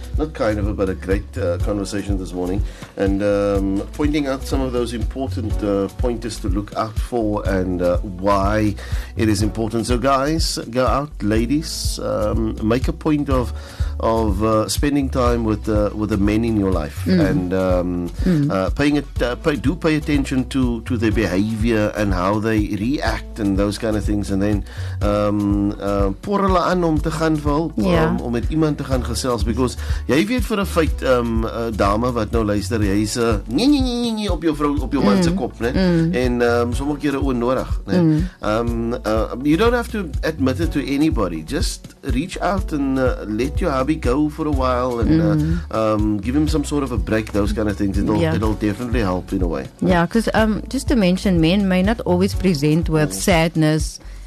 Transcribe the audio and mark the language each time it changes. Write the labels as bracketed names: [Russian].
[English] Not kind of, but a great conversation this morning. And pointing out some of those important pointers to look out for and why it is important. So guys, go out, ladies, make a point of spending time with the men in your life. And pay attention to their behavior and how they react and those kind of things. And then [Afrikaans] pour hulle aan om te gaan vir hulp, om met iemand te gaan gesels, because jy weet vir 'n feit, dame wat nou luister, jy is nie op jou vrou, op jou man se kop, né? En sommige kere onnodig, né? [English] You don't have to admit it to anybody, just reach out and let your hubby go for a while and give him some sort of a break, those kind of things. It'll definitely help in a way. Yeah, because just to mention, men may not always present with sadness.